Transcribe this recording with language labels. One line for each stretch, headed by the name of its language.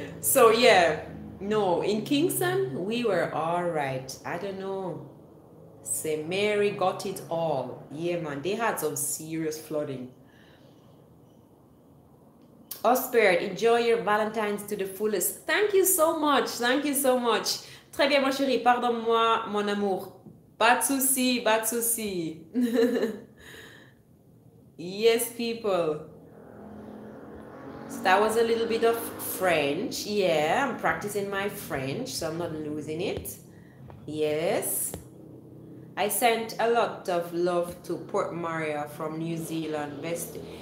English: So yeah, no, in Kingston, we were all right. I don't know. Say Mary got it all. Yeah, man, they had some serious flooding. Osprey, enjoy your Valentine's to the fullest. Thank you so much. Thank you so much.
French: Très bien, mon chéri. Pardonne-moi, mon amour. Pas de souci, pas de souci.
English: Yes, people. So that was a little bit of French. Yeah, I'm practicing my French, so I'm not losing it. Yes. I sent a lot of love to Port Maria from New Zealand. Best.